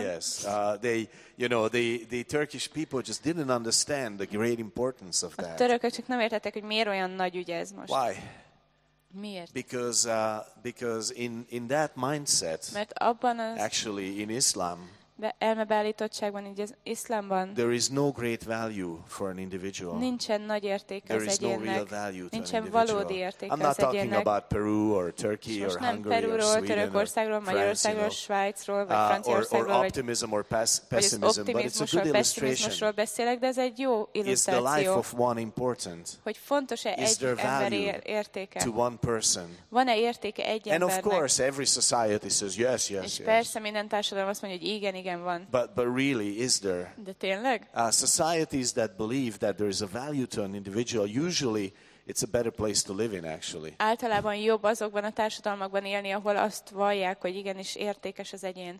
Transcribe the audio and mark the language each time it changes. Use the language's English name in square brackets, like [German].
[English] Yes, the Turkish people just didn't understand the great importance of that. [Hungarian] A törökök csak nem értették, hogy miért olyan nagy ügy ez most. [English] Why? [Hungarian] Miért? [English] Because in that mindset, [Hungarian] mert abban az [English] actually in Islam, [Hungarian] elmebeállítottságban, így az iszlámban, [English] there is no great value for an individual. [Hungarian] Nincsen nagy érték [English] there [Hungarian] az egyénnek. [English] There is no real value to [Hungarian] nincsen [English] an individual. [Hungarian] Valódi érték [English] I'm not [Hungarian] az [English] talking [Hungarian] egyénnek. [English] About Peru or Turkey [Hungarian] most [English] or Hungary [Hungarian] Peru-ról, [English] or Sweden [Hungarian] Törökországról, [English] or France, [Hungarian] Magyarországról, [English] you know, [Hungarian] Svájcról, vagy Franciaországról, [English] or optimism or pessimism, but it's a good illustration. [Hungarian] Beszélek, de ez egy jó illusztráció. [English] Is the life of one important? [Hungarian] Hogy fontos-e egy ember értéke? [English] To one person? [Hungarian] Van-e értéke egy embernek? [English] And of course, every society says yes, yes, [Hungarian] és persze minden társadalom azt mondja, hogy igen. [English] But really, is there? [Hungarian] De tényleg? [English] Societies that believe that there is a value to an individual, usually it's a better place to live in, actually. [Hungarian] Általában jobb azokban a társadalmakban élni, ahol azt vallják, hogy igenis értékes az egyén.